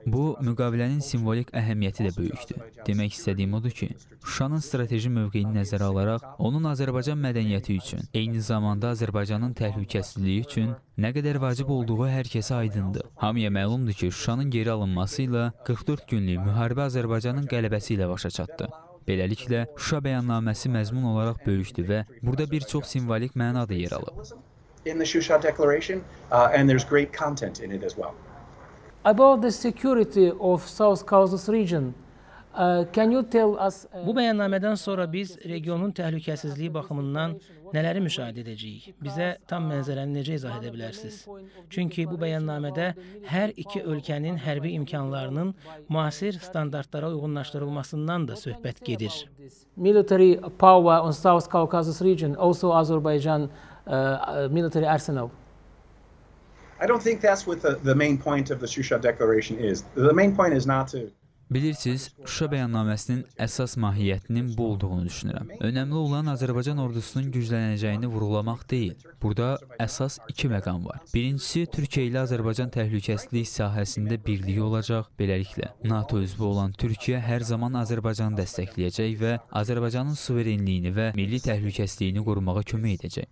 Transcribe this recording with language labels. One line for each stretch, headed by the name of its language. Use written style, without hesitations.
Azerbaijani: Bu, müqavilənin simvolik əhəmiyyəti də böyükdür. Demək istədiyim odur ki, Şuşanın strateji mövqeyini nəzərə alaraq, onun Azərbaycan mədəniyyəti üçün, eyni zamanda Azərbaycanın təhlükəsizliyi üçün nə qədər vacib olduğu hər kəsə aydındır. Hamıya məlumdur ki, Şuşanın geri alınması ilə 44 günlük müharibə Azərbaycanın qələbəsi ilə başa çatdı. Beləliklə, Şuşa bəyannaməsi məzmun olaraq böyükdür və burada bir çox simvolik məna da yer alıb.
English: In the Shusha Declaration, and there's great content in it as well. About the security of South Caucasus region, can you tell us?
Azerbaijani: Bu bəyannamədən sonra biz regionun təhlükəsizliyi baxımından nələri müşahidə edəcəyik? Bizə tam mənzərəni necə izah edə bilərsiniz? Çünki bu bəyannamədə hər iki ölkənin hərbi imkanlarının müasir standartlara uyğunlaşdırılmasından da söhbət gedir.
English: Military power on South Caucasus region, also Azerbaijan military arsenal. I don't think that's what the main point of the Shusha Declaration is. The main point is not to.
Azerbaijani: Bilirsiniz, Şuşa bəyannaməsinin əsas mahiyyətinin bu olduğunu düşünürəm. Önəmli olan Azərbaycan ordusunun güclənəcəyini vurğulamaq deyil. Burada əsas iki məqam var. Birincisi, Türkiyə ilə Azərbaycan təhlükəsizlik sahəsində birliyi olacaq. Beləliklə, NATO üzvü olan Türkiyə hər zaman Azərbaycanı dəstəkləyəcək və Azərbaycanın suverenliyini və milli təhlükəsizliyini qorumağa kömək edəcək.